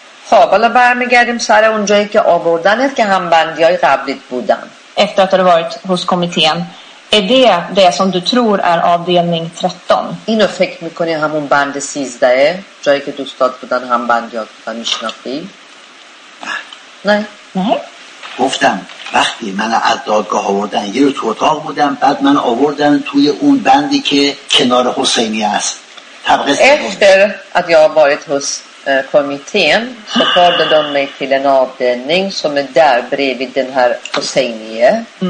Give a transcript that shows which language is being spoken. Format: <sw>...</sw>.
<fa>خب حالا برمیگردیم سر اونجایی که آوردنت که هم بندیای قبلیت بودن.</fa> <sv>Efter att du varit hos kommittén, är det som du tror är avdelning 13.</sv> <fa>اینو فکر میکنی همون بند 13ه، جایی که دوستات بودن هم بندیات بودن میشناختی؟ نه. گفتم وقتی من از دادگاه آوردن یه رو تو اتاق بودم، بعد من آوردن توی اون بندی که کنار حسینی است. طبق</fa> <sv>Efter att jag varit hos kommittén så förde de mig till en avdelning som är där bredvid den här Hosseinie.</sv>